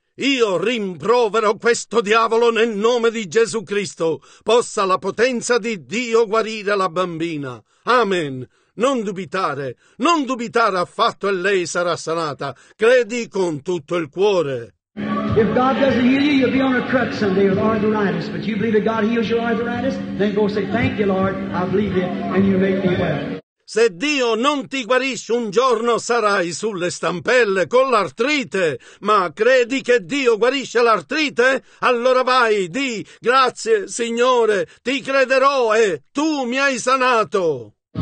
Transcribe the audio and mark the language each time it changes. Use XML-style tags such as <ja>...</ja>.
<it>Io rimprovero questo diavolo nel nome di Gesù Cristo. Possa la potenza di Dio guarire la bambina. Amen. Non dubitare. Non dubitare affatto e lei sarà sanata. Credi con tutto il cuore.</it> <en>If God doesn't heal you, you'll be on a crutch someday with arthritis. But you believe that God heals your arthritis? Then go say, thank you, Lord. I believe it and you make me well.</en> <it>Se Dio non ti guarisce un giorno, sarai sulle stampelle con l'artrite. Ma credi che Dio guarisce l'artrite? Allora vai, di grazie, Signore, ti crederò e tu mi hai sanato.</it>